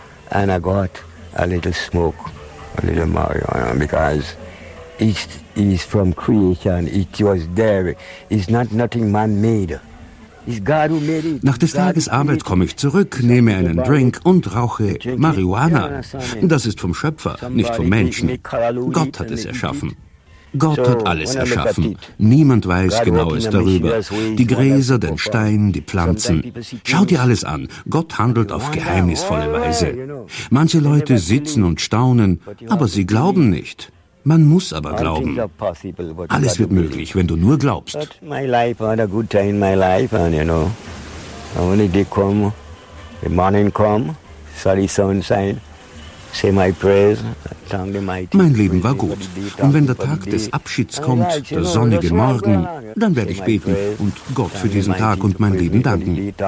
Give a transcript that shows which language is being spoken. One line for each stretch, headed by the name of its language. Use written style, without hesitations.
English: And I got a little smoke, a little marijuana, because it is from creation, it was there. It's not nothing man-made. It's God who made it.
German: Nach des Tages Arbeit komme ich zurück, nehme einen Drink und rauche Marihuana. Das ist vom Schöpfer, nicht vom Menschen. Gott hat es erschaffen. Gott hat alles erschaffen. Niemand weiß Genaues darüber. Die Gräser, den Stein, die Pflanzen. Schau dir alles an. Gott handelt auf geheimnisvolle Weise. Manche Leute sitzen und staunen, aber sie glauben nicht. Man muss aber glauben. Alles wird möglich, wenn du nur glaubst.
English: My life had a good time in my life, and you know. Only they come, the morning come, sorry sunshine.
German: Mein Leben war gut. Und wenn der Tag des Abschieds kommt, der sonnige Morgen, dann werde ich beten und Gott für diesen Tag und mein Leben danken.